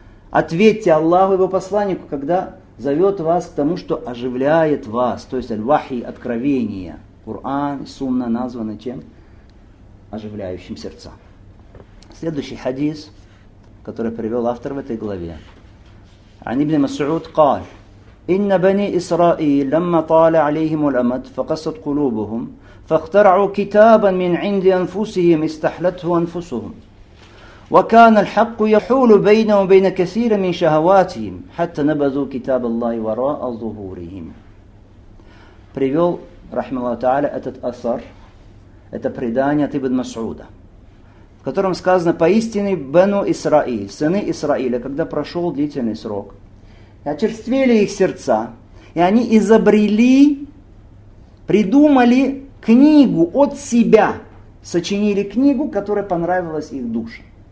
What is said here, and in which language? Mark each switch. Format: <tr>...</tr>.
<ru>Ответьте Аллаху его посланнику, когда зовет вас к тому, что оживляет вас. То есть аль-вахи, откровение. Коран, сунна названы чем? Оживляющим сердца. Следующий хадис, который привел автор в этой главе.</ru> <ar>«Ан ибн Мас'уд каль». إن بني إسرائيل لما طال عليهم الأمد فقست قلوبهم فاخترعوا كتابا من عند أنفسهم استحلته أنفسهم وكان الحق يحول بينهم وبين كثير من شهواتهم حتى نبذوا كتاب الله وراء ظهورهم.</ar> <ru>Привел,</ru> <ar>رحمه الله تعالى,</ar> <ru>этот أثر, это предание от Ибн Масуда, в котором сказано, поистине бену Исраиль, сыны Исраиля, когда прошел длительный срок, очерствели их сердца, и они изобрели, придумали книгу от себя, сочинили книгу, которая понравилась их душе.</ru>